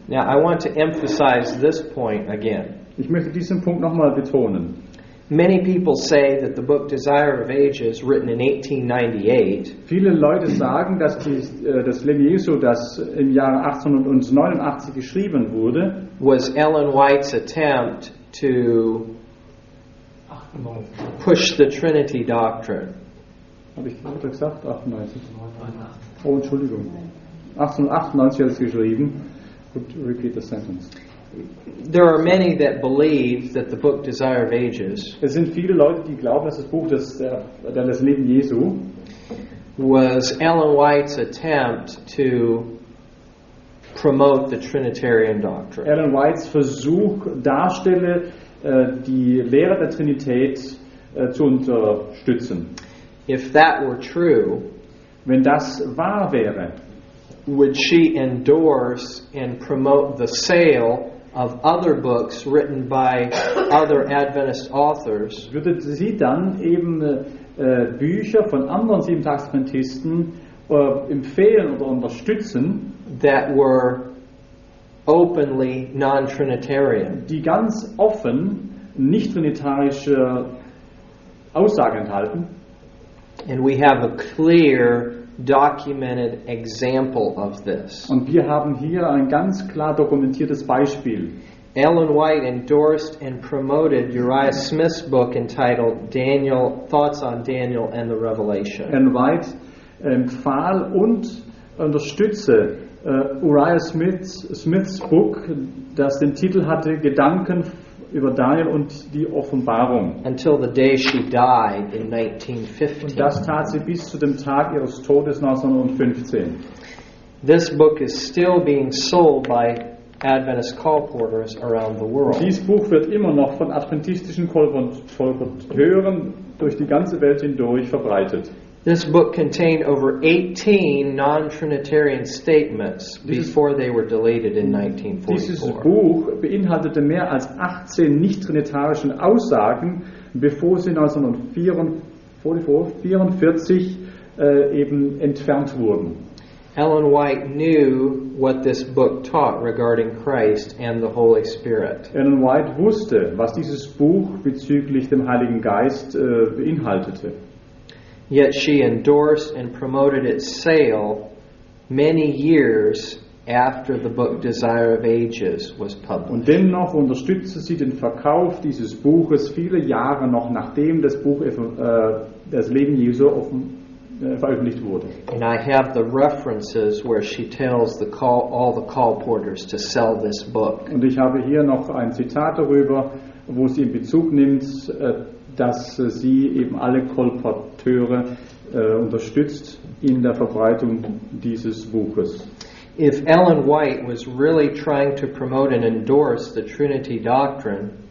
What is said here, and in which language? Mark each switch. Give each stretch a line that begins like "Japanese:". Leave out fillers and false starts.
English: Now I want to emphasize this point again.
German: Ich möchte diesen Punkt nochmal betonen.
English: Many people say that the book Desire of Ages, written in 1898,
German: viele Leute sagen, dass das Leben Jesu, das im Jahre 1889 geschrieben wurde,
English: was Ellen White's attempt to push the Trinity doctrine.
German: Habe ich gerade gesagt? 98. Oh, Entschuldigung. 1898 hat es geschrieben.
English: Could repeat the sentence. There are many that believe that the book Desire of Ages,
German: es sind viele Leute, die glauben, dass das Buch das Leben Jesu,
English: was Ellen White's attempt to promote the Trinitarian doctrine.
German: Ellen White's Versuch darstelle, die Lehre der Trinität zu unterstützen.
English: If that were true,
German: wenn das wahr wäre,
English: would she endorse and promote the sale of other books written by other Adventist authors?
German: Würde sie dann eben Bücher von anderen Siebentagsadventisten empfehlen oder unterstützen,
English: that were openly non-trinitarian,
German: die ganz offen nicht-trinitarische Aussagen enthalten.
English: And we have a clear documented example of this.
German: Und wir haben hier ein ganz klar dokumentiertes Beispiel.
English: Ellen White endorsed and promoted Uriah Smith's book entitled Daniel, Thoughts on Daniel and the Revelation.
German: Ellen White empfahl und unterstütze Uriah Smith's Buch, das den Titel hatte Gedanken über Daniel und die Offenbarung.
English: Until the day she died in 1915.
German: Und das tat sie bis zu dem Tag ihres Todes 1915.
English: This book is still being sold by Adventist call porters around the world.
German: Dieses Buch wird immer noch von adventistischen Kolporteuren durch die ganze Welt hindurch verbreitet.
English: This book contained over 18 non-trinitarian statements before they were deleted in 1944.
German: Dieses Buch beinhaltete mehr als 18 nicht-trinitarischen Aussagen, bevor sie 1944 eben entfernt wurden.
English: Ellen White knew what this book taught regarding Christ and the Holy Spirit.
German: Ellen White wusste, was dieses Buch bezüglich dem Heiligen Geist beinhaltete.
English: Yet she endorsed and promoted its sale many years after the book Desire of Ages was published.
German: Und dennoch unterstützte sie den Verkauf dieses Buches viele Jahre noch, nachdem das Buch das Leben Jesu veröffentlicht wurde.
English: And I have the references where she tells all the call porters to sell this book.
German: Und ich habe hier noch ein Zitat darüber, wo sie in Bezug nimmt, dass sie eben alle Kolporteure unterstützt in der Verbreitung dieses Buches.
English: If Ellen White was really trying to promote and endorse the Trinity doctrine,